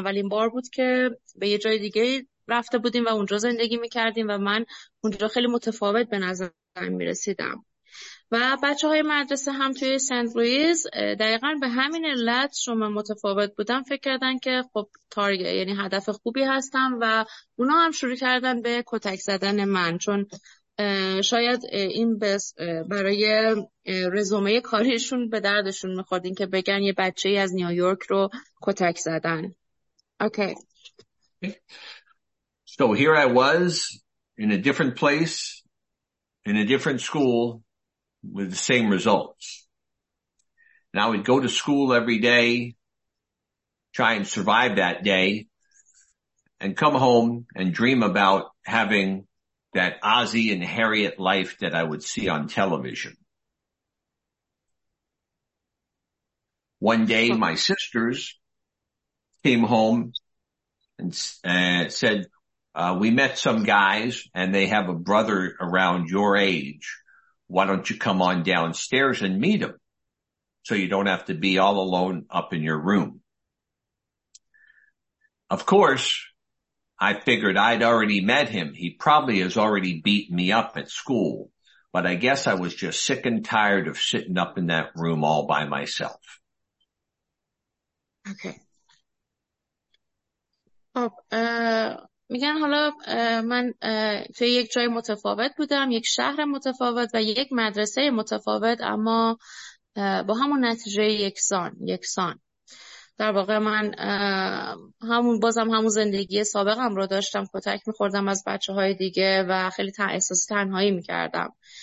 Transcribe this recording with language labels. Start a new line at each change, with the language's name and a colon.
Persian: اولین بار بود که به یه جای دیگه رفته بودیم و اونجا زندگی میکردیم و من اونجا خیلی متفاوت به نظرم میرسیدم و بچه های مدرسه هم توی سنت لوئیس دقیقا به همین علت شما متفاوت بودم فکر کردن که خب تارگت، یعنی هدف خوبی هستم و اونا هم شروع کردن به کتک زدن من، چون شاید این برای رزومه کاریشون به دردشون میخورد این که بگن یه بچه ای از نیویورک رو کتک زدن.
English: Okay. So here I was in a different place, in a different school, with the same results. And I would go to school every day, try and survive that day, and come home and dream about having that Ozzy and Harriet life that I would see on television. One day, my sisters came home and said, we met some guys, and they have a brother around your age. Why don't you come on downstairs and meet him so you don't have to be all alone up in your room? Of course, I figured I'd already met him. He probably has already beat me up at school, but I guess I was just sick and tired of sitting up in that room all by myself. Okay.
Persian: خب میگن حالا من توی یک جای متفاوت بودم، یک شهر متفاوت و یک مدرسه متفاوت، اما با همون نتیجه یکسان. در واقع من همون زندگی سابقم رو داشتم، کتک می‌خوردم از بچه‌های دیگه و خیلی احساس تنهایی می‌کردم.